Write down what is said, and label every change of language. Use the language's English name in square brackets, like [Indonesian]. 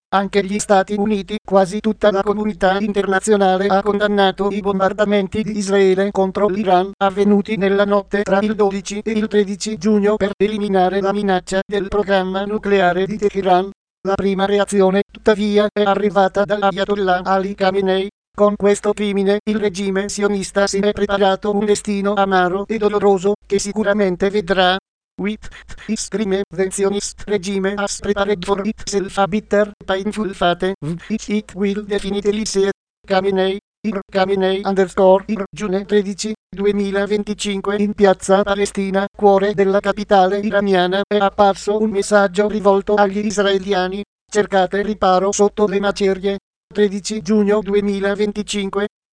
[Italian] Anche gli Stati Uniti, quasi tutta la comunità internazionale ha condannato i bombardamenti di Israele contro l'Iran avvenuti nella notte tra il 12 e il 13 giugno per eliminare la minaccia del programma nucleare di Teheran. La prima reazione, tuttavia, è arrivata dall'Ayatollah Ali Khamenei. Con questo crimine, il regime sionista si è preparato un destino amaro e doloroso, che sicuramente vedrà. [English] With this crime, the Zionist regime has prepared for itself a bitter, painful fate, which it will definitely see. [Italian] Khamenei, Khamenei _ June 13, 2025 in piazza Palestina, cuore della capitale iraniana, è apparso un messaggio rivolto agli israeliani. Cercate riparo sotto le macerie. 13 giugno 2025.